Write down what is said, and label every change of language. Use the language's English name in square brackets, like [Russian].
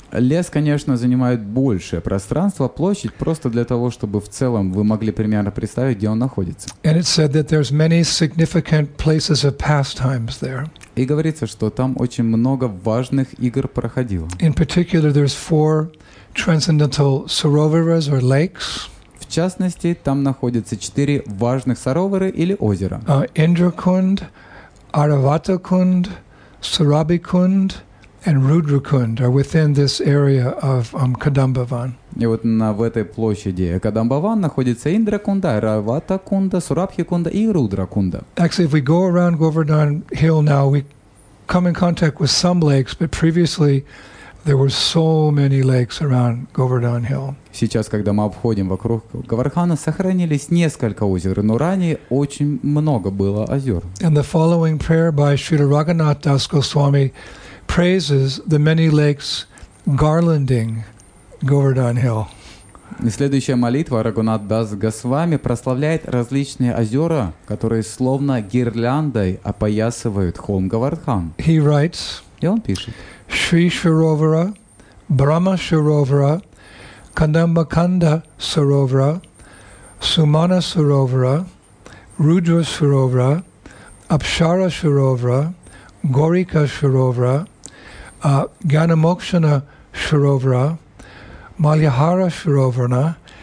[Russian] Лес, конечно, занимает большее пространство, площадь, просто для того, чтобы в целом вы могли примерно представить, где он находится. [English] And it said that there's many significant places of pastimes there. [Russian] И говорится, что там очень много важных игр проходило. [English] In particular, there's four transcendental saroveras or lakes. [Russian] В частности, там находятся четыре важных сароверы или озера. [English] Indrakund, Aravatakund, Sarabikund, and Rudrakund are within this area of Kadambavan. [Russian] И вот на в этой площади Кадамбаван находится Индракунда, Раватакунда, Сурабхикунда и Рудракунда. [English] Actually, if we go around Govardhan Hill now, we come in contact with some lakes, but previously there were so many lakes around Govardhan Hill. [Russian] Сейчас, когда мы обходим вокруг Говардхана, сохранились несколько озер, но ранее очень много было озер. [English] And the following prayer by Srila Raghunath Das Goswami praises the many lakes garlanding Govardhan Hill. [Russian] Следующая молитва Рагунат Дас Госвами прославляет различные озера, которые словно гирляндой опоясывают холм Говардхан. [English] He writes, [Russian] и он пишет, [Sanskrit] Шри Шаровара, Брама Шаровара, Кадамбаканда Саровара, Сумана Саровара, Руджа Саровара, Апшара Шаровара, Горика Шаровара, Gyanamokshana Sharovara, Malyahara Sharovarna,